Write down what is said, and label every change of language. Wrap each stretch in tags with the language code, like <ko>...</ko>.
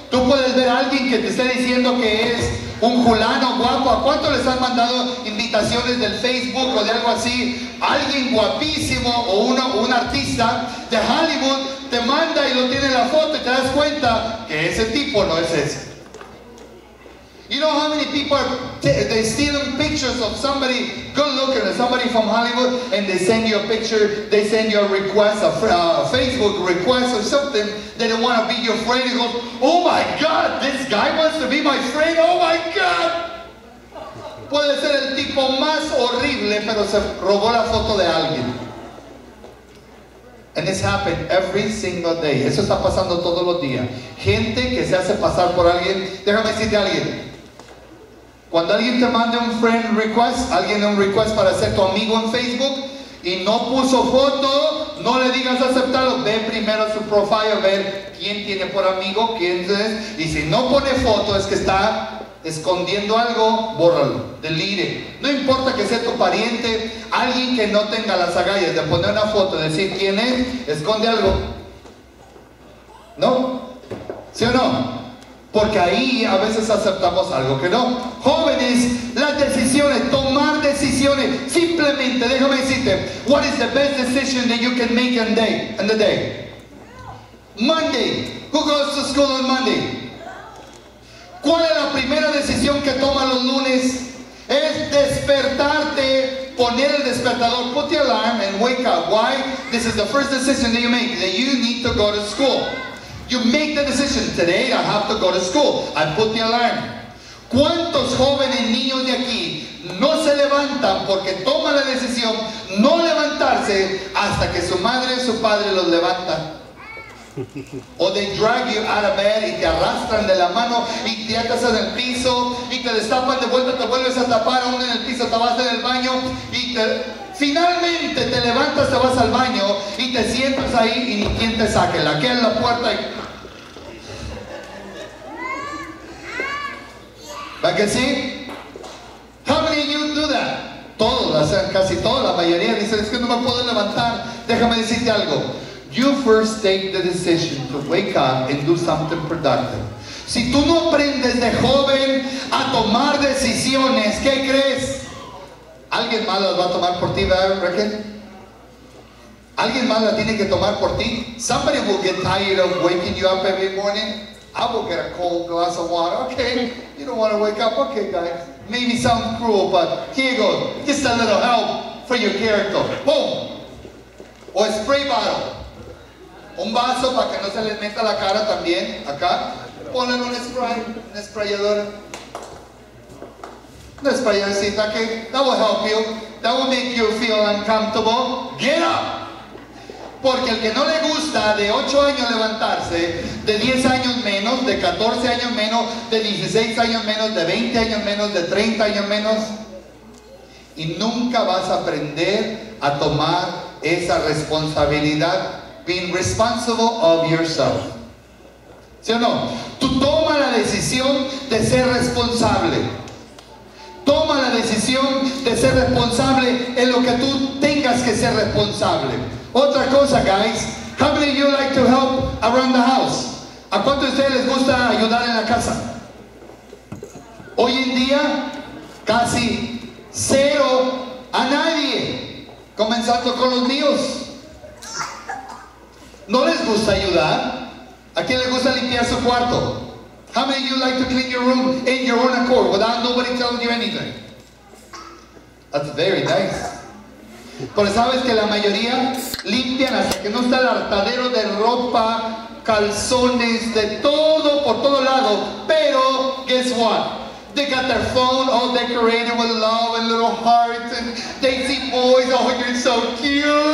<es>Tú puedes ver a alguien que te esté diciendo que es un fulano guapo. ¿A cuánto les han mandado invitaciones del Facebook o de algo así? Alguien guapísimo o un artista de Hollywood te manda y lo tiene en la foto y te das cuenta que ese tipo no es ese.</es> <en>You know how many people they steal pictures of somebody good looking or somebody from Hollywood and they send you a picture, they send you a request, a Facebook request or something, they don't want to be your friend. You go, oh my God, this guy wants to be my friend, oh my God.</en> <es>Puede ser el tipo más horrible, pero se robó la foto de alguien.</es> <en>And this happened every single day.</en> <es>Eso está pasando todos los días. Gente que se hace pasar por alguien. Déjame decirte a alguien. Cuando alguien te mande un friend request, alguien un request para ser tu amigo en Facebook y no puso foto, no le digas aceptarlo. Ve primero su profile, ver quién tiene por amigo, quién es. Y si no pone foto, es que está escondiendo algo, bórralo, delete. No importa que sea tu pariente, alguien que no tenga las agallas de poner una foto, decir quién es, esconde algo. ¿No? ¿Sí o no? Porque ahí a veces aceptamos algo que no. Jóvenes, las decisiones, tomar decisiones. Simplemente, déjame decirte,</es> <en>what is the best decision that you can make in the day? Monday. Who goes to school on Monday?</en> <es>¿Cuál es la primera decisión que toma los lunes? Es despertarte, poner el despertador,</es> <en>put the alarm and wake up. Why? This is the first decision that you make, that you need to go to school. You make the decision, today I have to go to school. I put the alarm.</en> <es>¿Cuántos jóvenes niños de aquí no se levantan porque toman la decisión no levantarse hasta que su madre o su padre los levanta? O</es> <en>they drag you out of bed</en> <es>y te arrastran de la mano y te atas en el piso y te destapan de vuelta, te vuelves a tapar aún en el piso, te vas en el baño y te... Finalmente te levantas, te vas al baño y te sientas ahí y ni quien te saque. La que en la puerta y... ¿Va que sí?</es> <en>How many of you do that?</en> <es>Todos, casi todos, la mayoría dicen, es que no me puedo levantar. Déjame decirte algo.</es> <en>You first take the decision to wake up and do something productive.</en> <es>Si tú no aprendes de joven a tomar decisiones, ¿qué crees? ¿Alguien más las va a tomar por ti, Raquel? ¿Alguien más la tiene que tomar por ti?</es> <en>Somebody will get tired of waking you up every morning. I will get a cold glass of water. Okay, you don't want to wake up. Okay, guys. Maybe sound cruel, but here you go. Just a little help for your character. Boom! O spray bottle.</en> <es>Un vaso para que no se les meta la cara también. Acá. Ponen un spray, un sprayador. No es para decir,</es> <en>okay, that will help you, that will make you feel uncomfortable. Get up!</en> <es>Porque el que no le gusta de 8 años levantarse, de 10 años menos, de 14 años menos, de 16 años menos, de 20 años menos, de 30 años menos, y nunca vas a aprender a tomar esa responsabilidad,</es> <en>being responsible of yourself.</en> <es>¿Sí o no? Tú toma la decisión de ser responsable. Toma la decisión de ser responsable en lo que tú tengas que ser responsable. Otra cosa, guys.</es> <en>How many of you like to help around the house?</en> <es>¿A cuántos de ustedes les gusta ayudar en la casa? Hoy en día, casi cero a nadie. Comenzando con los míos. ¿No les gusta ayudar? ¿A quién les gusta limpiar su cuarto?</es> <en>How many of you like to clean your room in your own accord without nobody telling you anything? That's very nice.</en> <es>Pero sabes que la mayoría limpian hasta que no está el hartadero de ropa, calzones, de todo, por todo lado. Pero,</es> <en>guess what? They got their phone all decorated with love and little hearts. And they see boys, oh, you're so cute.</en>